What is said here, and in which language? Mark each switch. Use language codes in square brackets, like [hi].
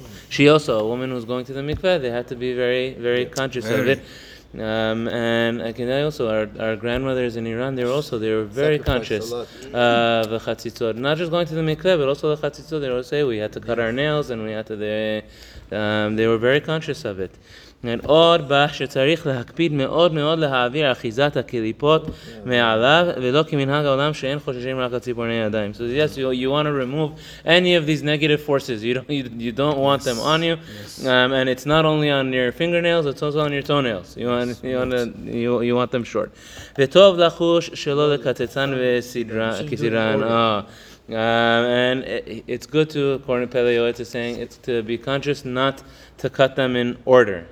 [en] She also, a woman who's going to the mikveh, they have to be very, very conscious of it. And I can tell you also, our grandmothers in Iran, they were very conscious of the chatzitzot. Not just going to the mikveh, but also the chatzitzot. They would say, we had to cut our nails and they were very conscious of it. [he] And עוד בה שצריך להקפיד מאוד מאוד להעביר אחיזת הקליפות מעליו ולא כמנהג העולם שאין חוששים רק הציפורני ידיים. [en] So yes, you want to remove any of these negative forces. You don't want them on you. Yes. And it's not only on your fingernails, it's also on your toenails. You want them short. [he] וטוב לחוש שלא לקצצן וכסדרן. [en] And it's good to, according to Pele Yoetz, it's to be conscious not to cut them in order.